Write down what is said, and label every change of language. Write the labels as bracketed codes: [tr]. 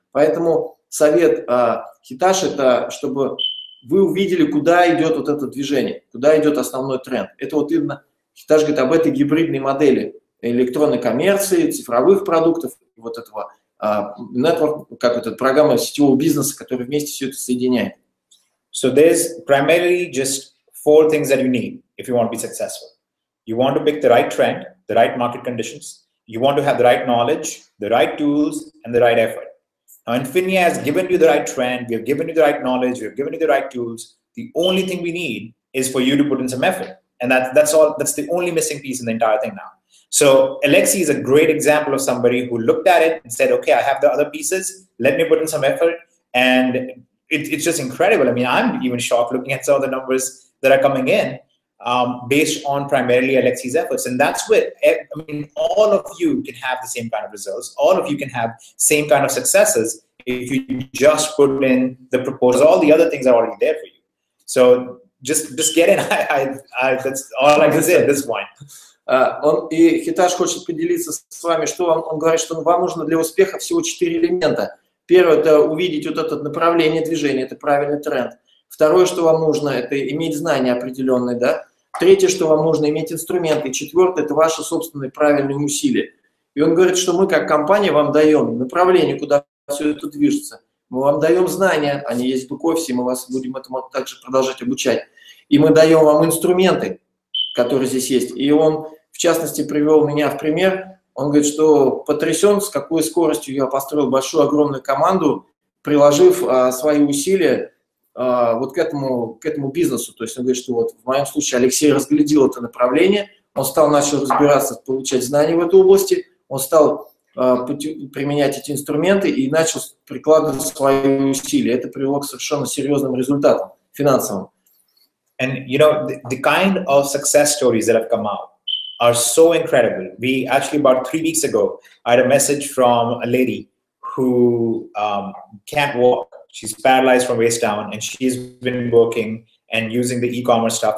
[ru] Поэтому совет Хитаж – это чтобы вы увидели, куда идет вот это движение, куда идет основной тренд. Это вот именно Хитаж говорит об этой гибридной модели электронной коммерции, цифровых продуктов, вот этого network, как это, программы сетевого бизнеса, которые вместе все это соединяют. [en] So there's primarily just four things that you need if you want to be successful. You want to pick the right trend, the right market conditions. You want to have the right knowledge, the right tools, and the right effort. Now, Infinia has given you the right trend. We have given you the right knowledge. We have given you the right tools. The only thing we need is for you to put in some effort. And that's all. That's the only missing piece in the entire thing now. So Alexi is a great example of somebody who looked at it and said, okay, I have the other pieces. Let me put in some effort. And it's just incredible. I mean, I'm even shocked looking at some of the numbers that are coming in. Based on primarily Alexi's efforts. And that's what, I mean, all of you can have the same kind of results. All of you can have same kind of successes if you just put in the proposal. All the other things are already there for you. So just get in. That's all I can say at this point. [ru] И Хитаж хочет поделиться с вами, что он говорит, что вам нужно для успеха всего 4 элемента. Первое – это увидеть вот это направление движения, это правильный тренд. Второе, что вам нужно, это иметь знания определенные, да. Третье, что вам нужно, иметь инструменты. Четвертое, это ваши собственные правильные усилия. И он говорит, что мы как компания вам даем направление, куда все это движется. Мы вам даем знания, они есть в Буковсе, мы вас будем этому также продолжать обучать. И мы даем вам инструменты, которые здесь есть. И он, в частности, привел меня в пример. Он говорит, что потрясен, с какой скоростью я построил большую, огромную команду, приложив свои усилия вот к этому бизнесу. То есть он говорит, что вот в моем случае Алексей разглядел это направление, он стал, начал разбираться, получать знания в этой области, он стал применять эти инструменты и начал прикладывать свои усилия. Это привело к совершенно серьезным результатам финансовым. [en] And, you know, the kind of success stories that have come out are so incredible. We actually, about 3 weeks ago, I had a message from a lady who can't walk. She's paralyzed from waist down, and she's been working and using the e-commerce stuff.